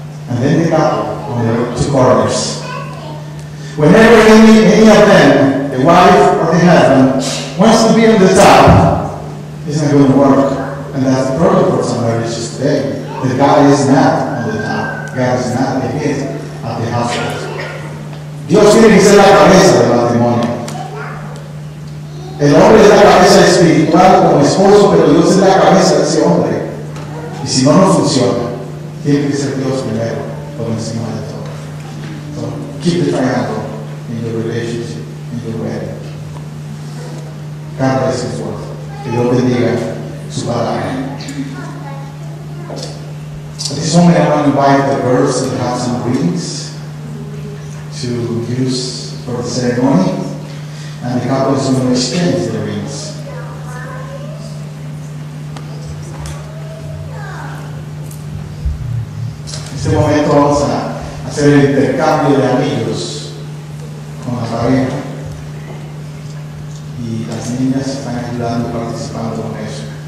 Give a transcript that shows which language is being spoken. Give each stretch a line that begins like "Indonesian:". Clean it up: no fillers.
English: And then the couple on the two corners. Whenever any of them, the wife or the husband, wants to be on the top, it's not going to work. And that's the problem for some marriages today. That God is not on the top. God is not the head of the household.
Spanish: Dios tiene que ser la cabeza del matrimonio. El hombre es la cabeza espiritual como esposo, pero Dios es la cabeza de ese hombre. Y si no, no funciona. Tiene que ser Dios primero, por encima de todo.
English: So, keep the triangle in your relationship, in your wedding. God bless you for it.
Spanish: Que Dios bendiga su palabra.
English: At this moment I want to invite the girls that have some rings to use for the ceremony, and the couples who will exchange the rings.
Spanish: En este momento vamos a hacer el intercambio de anillos con la pareja, y las niñas están ayudando y participando con eso.